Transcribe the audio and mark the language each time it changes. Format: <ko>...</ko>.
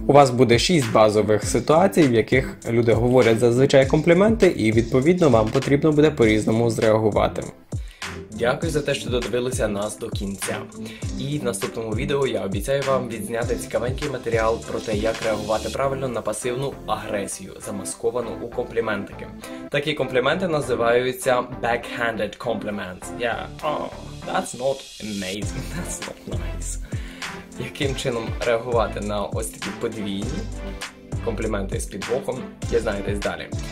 <uk>У вас буде 6 базових ситуацій, в яких люди говорять зазвичай компліменти, і відповідно вам потрібно буде по-різному зреагувати. Дякую за те, що додивилися нас до кінця. І в наступному відео я обіцяю вам відзняти цікавенький матеріал про те, як реагувати правильно на пасивну агресію, замасковану у компліментики. Такі компліменти називаються backhanded compliments.</uk> <en>Yeah, oh, that's not amazing, that's not nice.</en> <uk>Яким чином реагувати на ось такі подвійні компліменти з підвохом, дізнаєтесь далі.</uk>